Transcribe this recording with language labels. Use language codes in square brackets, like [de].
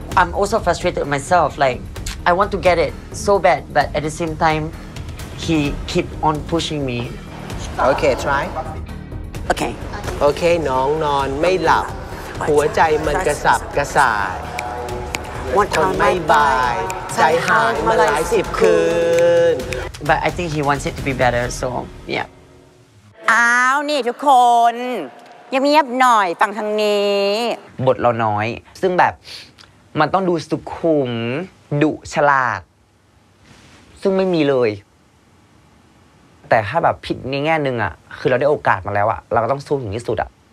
[en] I'm also frustrated myself like I want to get it so bad but at the same time he keep on pushing me okay try okay [th] okay น้องนอนไม่หลับหัวใจมันกระสับกระส่ายคนไม่บายใจหายมาหลายสิบคืน [en] but I think he wants it to be better so yeah [th] อ้าวนี่ทุกคนยังเงียบหน่อยฟังทางนี้บทเราน้อยซึ่งแบบมันต้องดูสุขุมดุฉลาดซึ่งไม่มีเลยแต่ถ้าแบบผิดในแง่นึงอ่ะคือเราได้โอกาสมาแล้วอ่ะเราก็ต้องสู้ถึงที่สุดอ่ะ